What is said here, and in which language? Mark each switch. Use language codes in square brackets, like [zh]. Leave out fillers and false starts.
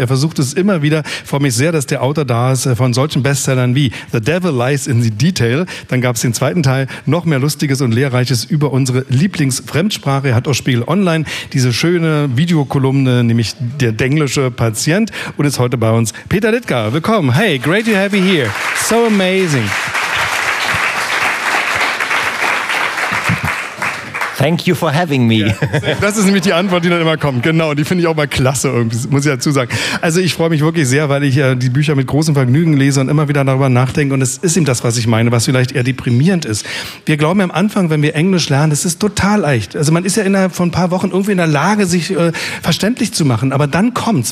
[de] Er versucht es immer wieder. Ich freue mich sehr, dass der Autor da ist von solchen Bestsellern wie The Devil Lies in the Detail. Dann gab es den zweiten Teil, noch mehr Lustiges und Lehrreiches über unsere Lieblingsfremdsprache. Er hat auch Spiegel Online diese schöne Videokolumne, nämlich der denglische Patient, und ist heute bei uns Peter Littger. Willkommen. [en] Hey, great to have you here. So amazing. Thank you for having me. Ja, [de] das ist nämlich die Antwort, die dann immer kommt. Genau, die finde ich auch mal klasse, irgendwie, muss ich dazu sagen. Also ich freue mich wirklich sehr, weil ich die Bücher mit großem Vergnügen lese und immer wieder darüber nachdenke. Und es ist eben das, was ich meine, was vielleicht eher deprimierend ist. Wir glauben am Anfang, wenn wir Englisch lernen, das ist total leicht. Also man ist ja innerhalb von ein paar Wochen irgendwie in der Lage, sich verständlich zu machen. Aber dann kommt's.